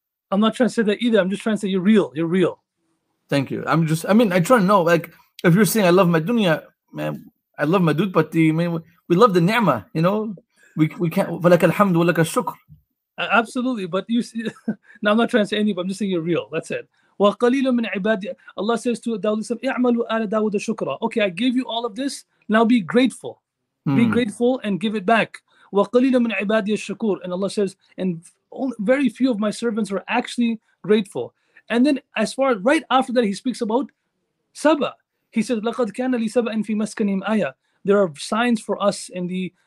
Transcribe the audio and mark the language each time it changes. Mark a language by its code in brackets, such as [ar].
[en] I'm not trying to say that either. I'm just trying to say you're real. Thank you. I try to know, like, if you're saying I love my dunya, man, I love my dude, but we love the ni'mah, you know? We can't, [ar] walaka alhamdu, walaka shukr. [en] Absolutely, but you see, now I'm not trying to say anything, but I'm just saying you're real. That's it. [ar] وَقَلِيلٌ مِّنْ عِبَادِ [en] Allah says to Dawud al-Islam, [ar] اِعْمَلُوا آلَ دَاوُدَ شُكْرًا. [en] Okay, I gave you all of this. Now be grateful. Hmm. Be grateful and give it back. [ar] وَقَلِيلٌ مِّنْ عِبَادِ الشُّكُورِ [en] And Allah says, and very few of my servants are actually grateful. And then as far as right after that, he speaks about Saba. He says, [ar] لَقَدْ كَانَ لِسَبَأٍ فِي مَسْكَنِهِمْ آيَةٍ [en] There are signs for us right away,